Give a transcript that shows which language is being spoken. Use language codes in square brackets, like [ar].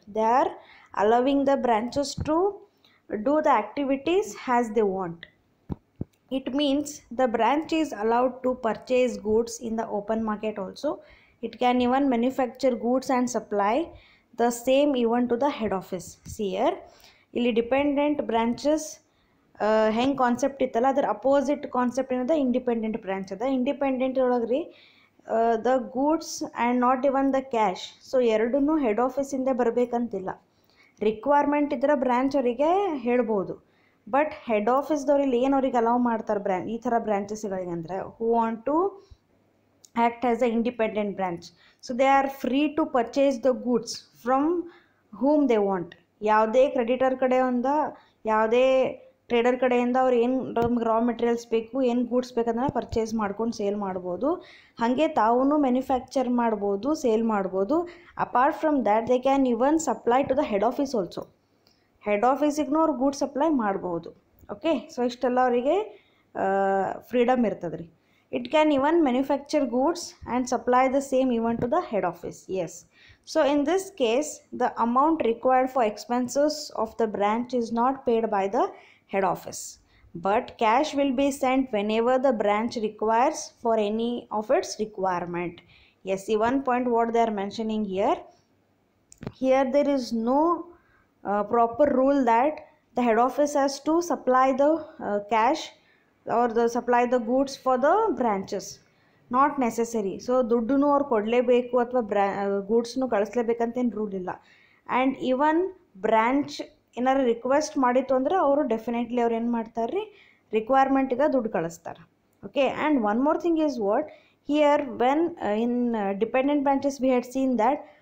[en] They are allowing the branches to do the activities as they want. It means the branch is allowed to purchase goods in the open market also. It can even manufacture goods and supply the same even to the head office. See here. [kn] ಇಲ್ಲಿ dependent branches ಹೆಂಗೆ concept ಇತ್ತಲ್ಲ, ಅದರ opposite concept ಏನದ, independent branch ಅದ. [en] independent [kn] ಒಳಗೆ ರೀ [en] The goods and not even the cash. [kn] So ಎರಡೂ head ಆಫೀಸಿಂದ ಬರಬೇಕಂತಿಲ್ಲ, ರಿಕ್ವೈರ್ಮೆಂಟ್ ಇದ್ರೆ ಬ್ರ್ಯಾಂಚ್ ಅವರಿಗೆ ಹೇಳ್ಬೋದು. ಬಟ್ ಹೆಡ್ ಆಫೀಸ್ದವ್ರು ಇಲ್ಲಿ ಏನು ಅವ್ರಿಗೆ ಅಲೌ ಮಾಡ್ತಾರೆ ಈ ಥರ ಬ್ರ್ಯಾಂಚಸ್ಗಳಿಗೆ ಅಂದರೆ, [en] Who want to act as a independent branch. So they are free to purchase the goods from whom they want. [kn] ಯಾವುದೇ ಕ್ರೆಡಿಟರ್ ಕಡೆ ಒಂದ, ಯಾವುದೇ ಟ್ರೇಡರ್ ಕಡೆಯಿಂದ ಅವ್ರು ಏನು ರಾ ಮೆಟೀರಿಯಲ್ಸ್ ಬೇಕು, ಏನು ಗೂಡ್ಸ್ ಬೇಕಂದ್ರೆ ಪರ್ಚೇಸ್ ಮಾಡ್ಕೊಂಡು ಸೇಲ್ ಮಾಡ್ಬೋದು. ಹಾಗೆ ತಾವೂ ಮ್ಯಾನುಫ್ಯಾಕ್ಚರ್ ಮಾಡ್ಬೋದು, ಸೇಲ್ ಮಾಡ್ಬೋದು. [en] Apart from that they can even supply to the head office also. [kn] Head ಆಫೀಸಿಗೂ ಅವ್ರು ಗೂಡ್ಸ್ ಸಪ್ಲೈ ಮಾಡ್ಬೋದು. ಓಕೆ, ಸೊ ಇಷ್ಟೆಲ್ಲ ಅವರಿಗೆ ಫ್ರೀಡಮ್ ಇರ್ತದೆ ರೀ. [en] It can even manufacture goods and supply the same even to the head office. Yes, so in this case the amount required for expenses of the branch is not paid by the head office, but cash will be sent whenever the branch requires for any of its requirement. Yes, see one point what they are mentioning here. Here there is no proper rule that the head office has to supply the cash or the supply the goods for the branches. Not necessary. [kn] So ದುಡ್ಡೂ ಅವ್ರು ಕೊಡಲೇಬೇಕು ಅಥವಾ ಗೂಡ್ಸ್ನು ಕಳಿಸ್ಲೇಬೇಕಂತೇನು rule ಇಲ್ಲ. And even branch ಏನಾರು request ಮಾಡಿತ್ತು ಅಂದರೆ ಅವರು definitely ಅವ್ರು ಏನು ಮಾಡ್ತಾರೆ ರೀ, ರಿಕ್ವೈರ್ಮೆಂಟಿಗೆ ದುಡ್ಡು ಕಳಿಸ್ತಾರೆ. [en] okay, and one more thing is what here, when independent branches we had seen that